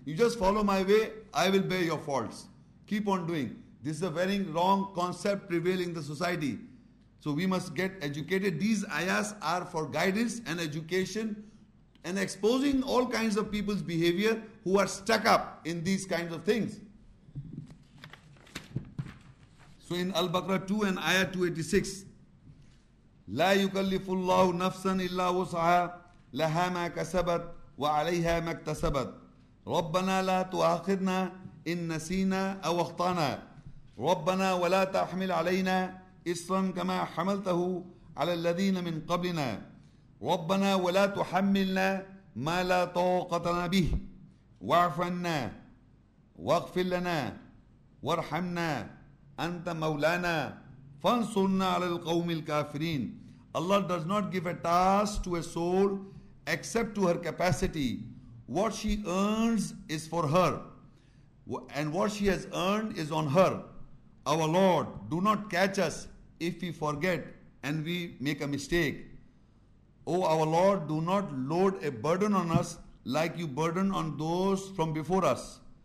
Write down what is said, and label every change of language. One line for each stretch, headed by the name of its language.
English: You just follow my way. I will bear your faults. Keep on doing. This is a very wrong concept prevailing in the society. So we must get educated. These ayahs are for guidance and education and exposing all kinds of people's behavior who are stuck up in these kinds of things. So in Al-Baqarah 2 and ayah 286,
Arabic: لا يكلف الله نفسا إلا وسعها لها ما كسبت وعليها ما اكتسبت ربنا لا تؤاخذنا إن نسينا أو أخطأنا ربنا ولا تحمل علينا إصرا كما حملته على الذين من قبلنا ربنا ولا تحملنا ما لا طاقة لنا به واعف عنا واغفر لنا وارحمنا أنت مولانا فانصرنا على القوم الكافرين.
English: Allah does not give a task to a soul except to her capacity. What she earns is for her, and what she has earned is on her. Our Lord, do not catch us if we forget and we make a mistake. O our Lord, do not load a burden on us like you burden on those from before us.